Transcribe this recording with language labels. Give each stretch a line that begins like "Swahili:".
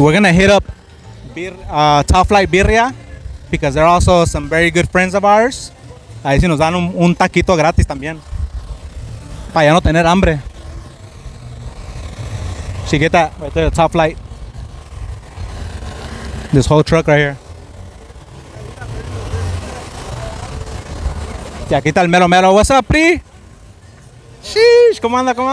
English: We're going to hit up Tough Light Birria because they're also some very good friends of ours.
Spanish: Ahí sí nos dan un taquito gratis también. Para ya no tener hambre.
English: So you get that right there, the top flight. This whole truck right here.
Spanish: Y aquí está el mero mero.
English: What's up,
Spanish: Pri? Sheesh, ¿cómo anda?